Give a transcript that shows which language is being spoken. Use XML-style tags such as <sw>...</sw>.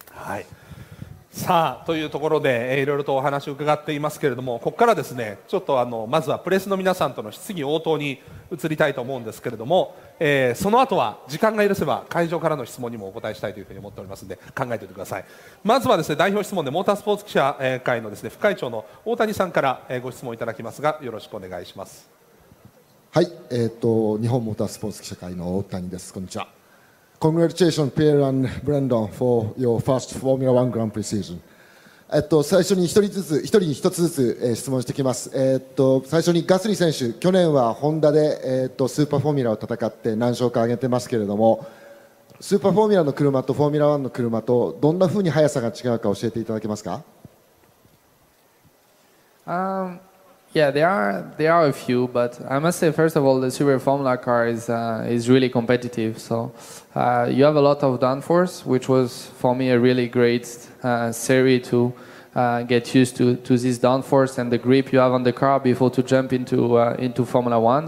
<ja>はい、さあというところでいろいろとお話を伺っていますけれども、ここからですね、ちょっとあのまずはプレスの皆さんとの質疑応答に移りたいと思うんですけれども、その後は時間が許せば会場からの質問にもお答えしたいというふうに思っておりますので考えておいてください。まずはですね、代表質問でモータースポーツ記者会のですね、副会長の大谷さんからご質問いただきますが、よろしくお願いします。はい、日本モータースポーツ記者会の大谷です。こんにちは。</ja> <en>Congratulations, Pierre and Brendan, for your first Formula One Grand Prix season.</en> <ja>最初に一人に一つずつ、質問してきます。最初にガスリー選手、去年はホンダで、スーパーフォーミュラを戦って何勝か上げてますけれども、スーパーフォーミュラの車とフォーミュラ1の車とどんなふうに速さが違うか教えていただけますか？</ja> <en>Yeah, there are a few, but I must say, first of all, the Super Formula car is really competitive. So you have a lot of downforce, which was for me a really great series to get used to this downforce and the grip you have on the car before to jump into Formula One.</en>